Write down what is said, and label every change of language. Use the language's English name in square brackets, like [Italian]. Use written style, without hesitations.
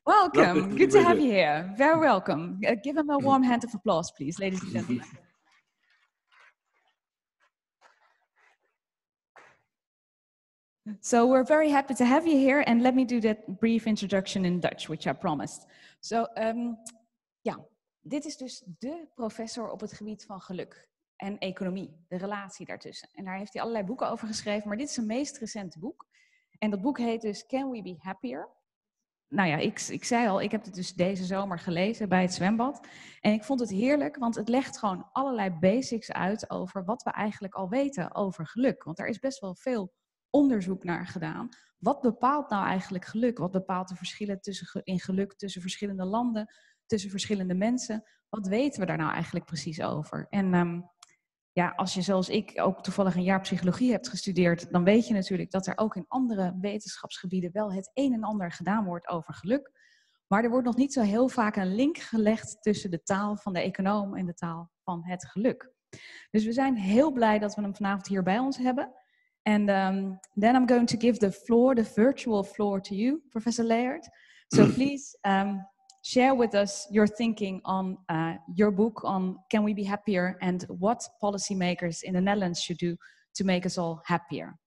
[English] Welcome. Good to have you here. Very welcome. Give him a warm hand of applause, please, ladies and gentlemen. So we're very happy to have you here, and let me do that brief introduction in Dutch, which I promised. [Dutch] So, dit is dus de professor op het gebied van geluk en economie, de relatie daartussen. En daar heeft hij allerlei boeken over geschreven, maar dit is zijn meest recente boek. En dat boek heet dus Can We Be Happier? Nou ja, ik zei al, ik heb het dus deze zomer gelezen bij het zwembad. En ik vond het heerlijk, want het legt gewoon allerlei basics uit over wat we eigenlijk al weten over geluk. Want er is best wel veel onderzoek naar gedaan. Wat bepaalt nou eigenlijk geluk? Wat bepaalt de verschillen in geluk tussen verschillende landen, tussen verschillende mensen? Wat weten we daar nou eigenlijk precies over? En ja, als je zoals ik ook toevallig een jaar psychologie hebt gestudeerd, dan weet je natuurlijk dat er ook in andere wetenschapsgebieden wel het een en ander gedaan wordt over geluk. Maar er wordt nog niet zo heel vaak een link gelegd tussen de taal van de econoom en de taal van het geluk. Dus we zijn heel blij dat we hem vanavond hier bij ons hebben. [English] And then I'm going to give the floor, the virtual floor to you, Professor Layard. So please share with us your thinking on your book on Can We Be Happier and what policymakers in the Netherlands should do to make us all happier.